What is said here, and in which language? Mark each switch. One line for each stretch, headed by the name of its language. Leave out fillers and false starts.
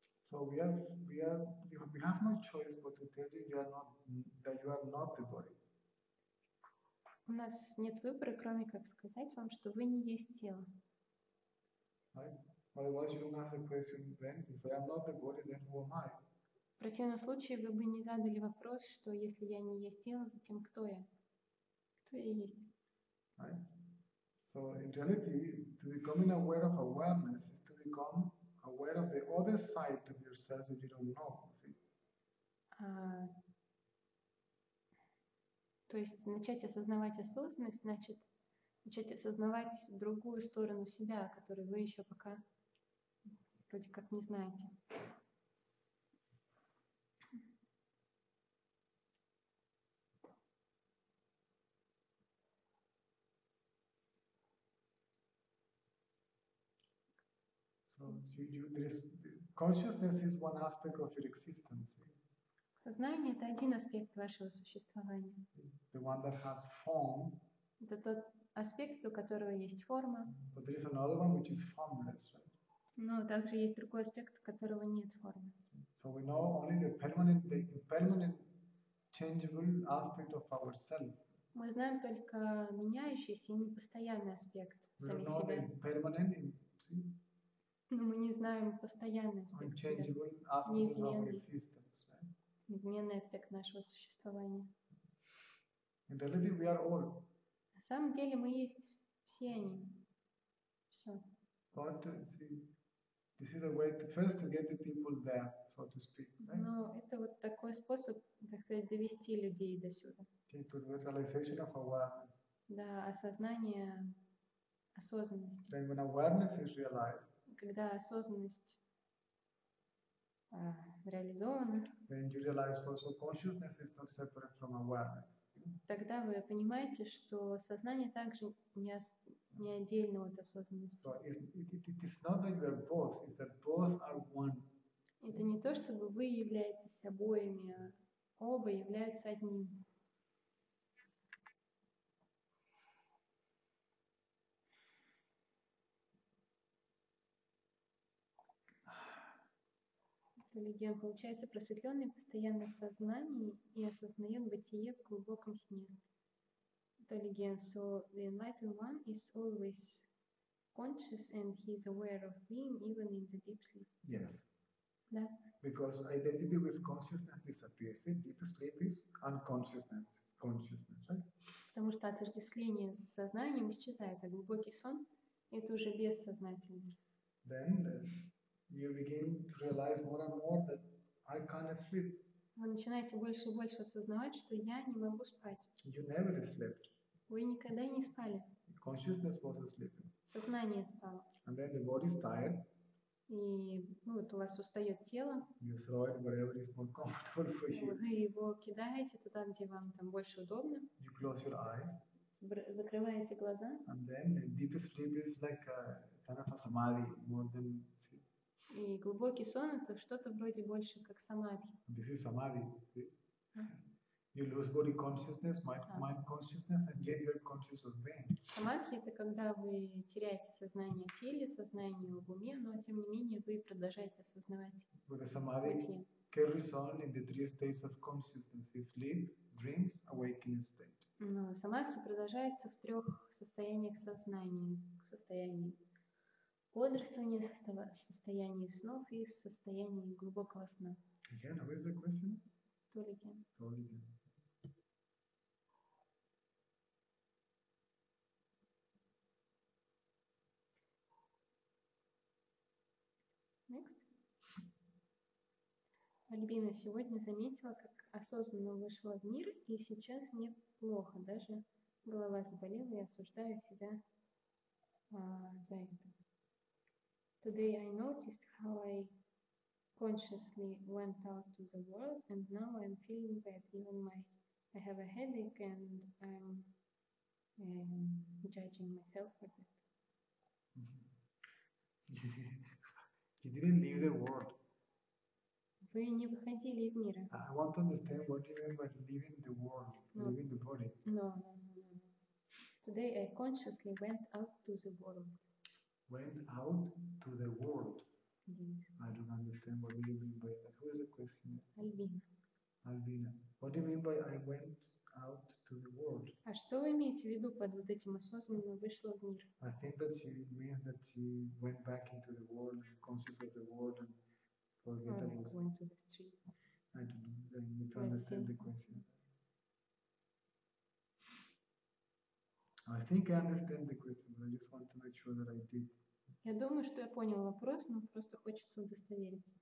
English: So we have no choice but to tell you that you are not the body.
Russian: У нас нет выбора, кроме как сказать вам, что вы не есть тело.
English: Right? Otherwise, you don't ask the question then. If I am not the body, then who am I?
Russian: В противном случае вы бы не задали вопрос, что если я не есть тело, затем кто я? Кто я есть?
English: Right? So in reality, to becoming aware of awareness is to become aware of the other side of yourself that you don't know, see?
Russian: То есть начать осознавать осознанность значит начать осознавать другую сторону себя, которую вы еще пока вроде как не знаете.
English: You, there is, consciousness is one aspect of your existence.
Russian: Сознание — это один аспект вашего существования.
English: The one that has form.
Russian: Это тот аспект, у которого есть форма.
English: But there is another one which is formless. Right?
Russian: Но также есть другой аспект, у которого нет формы.
English: So we know only the impermanent, changeable aspect of ourselves.
Russian: Мы знаем только меняющийся и непостоянный аспект самих себя.
English: We know the impermanent, see?
Russian: Но мы не знаем постоянный аспект себя,
English: unchangeable aspect of our
Russian: неизменный,
English: existence, right?
Russian: неизменный аспект нашего существования.
English: In reality, we are all.
Russian: На самом деле мы есть все они. Все.
English: But see, this is a way to first to get the people there, so to speak. Right?
Russian: Но это вот такой способ, так сказать, довести людей до сюда.
English: Okay, to the realization of awareness.
Russian: Да, осознание осознанности.
English: Then when awareness is realized,
Russian: когда осознанность реализована,
English: then you realize also consciousness is not separate from awareness.
Russian: Тогда вы понимаете, что сознание также не отдельно от осознанности.
English: So it's not that you are both, it's that both are one.
Russian: Это не то, чтобы вы являетесь обоими, а оба являются одним. Легион, получается, просветленный постоянно в сознании и осознает бытие в глубоком сне.
English: Легион, so the enlightened one is always conscious and he is aware of being even in the deep sleep. Yes.
Russian: Да.
English: Because identity with consciousness disappears. Deep sleep is unconsciousness. Consciousness, right?
Russian: Потому что отождествление с сознанием исчезает, а глубокий сон – это уже бессознательно.
English: Then you begin to realize more and more that I can't sleep.
Russian: Вы начинаете больше и больше осознавать, что я не могу спать.
English: You never slept.
Russian: Вы никогда не спали.
English: Consciousness was asleep.
Russian: Сознание спало.
English: And then the body is tired.
Russian: И ну, вот у вас устает тело.
English: You throw it wherever is more comfortable for you.
Russian: Вы его кидаете туда, где вам там больше удобно.
English: You close your eyes.
Russian: Закрываете глаза.
English: And then the deepest sleep is like a kind of a samadhi, more than.
Russian: И глубокий сон – это что-то вроде больше, как самадхи.
English: This is samadhi. You lose body consciousness, mind consciousness, and yet you're conscious of being.
Russian: Самадхи – это когда вы теряете сознание тела, сознание в уме, но тем не менее вы продолжаете осознавать.
English: With the samadhi carries on in the three states of consciousness: sleep, dreams, awakening state.
Russian: Но самадхи продолжается в трех состояниях сознания, в состоянии бодрствование, состояние снов и состояние глубокого сна.
English: Again, what is the question? Толиген. Толиген. Next.
Russian: Альбина сегодня заметила, как осознанно вышла в мир, и сейчас мне плохо. Даже голова заболела, и осуждаю себя за это.
English: Today I noticed how I consciously went out to the world, and now I'm feeling bad. Even I have a headache, and I'm judging myself for that. You didn't leave the world.
Russian: Вы не выходили из мира.
English: I want to understand what you mean by leaving the world, leaving the body. No. Today I consciously went out to the world. Went out to the world. Yes. I don't understand what do you mean by that. Who is the question? Albina. Albina. What do you mean by I went out to the world?
Russian: А что вы имеете в виду под вот этим осознанно вышло в мир?
English: I think that she means that she went back into the world, conscious of the world, and forget about. Like went to the street. I don't know. I need to Let's understand see. The question. I think I understand the question, but I just want to make sure that I did.
Russian: Я думаю, что я понял вопрос, но просто хочется удостовериться.